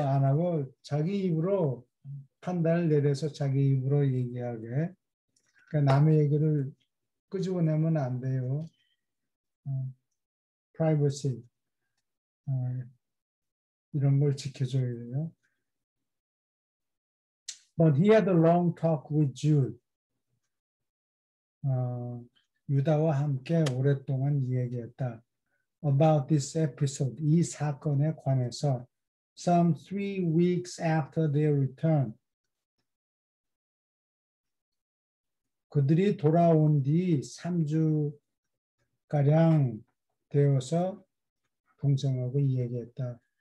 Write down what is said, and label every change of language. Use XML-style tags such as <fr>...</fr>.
<ko>안 하고 자기 입으로 판단을 내려서 자기 입으로 얘기하게. 그러니까 남의 얘기를 끄집어내면 안 돼요. 프라이버시 이런 걸 지켜줘야 돼요.</ko> <en>But he had a long talk with Jude.</en> <ko>유다와 함께 오랫동안 이야기했다.</ko> <en>About this episode,</en> <ko>이 사건에 관해서</ko> <en>some 3 weeks after their return.</en> <ko>그들이 돌아온 뒤 3주가량 되어서 동생하고 이야기했다.</ko>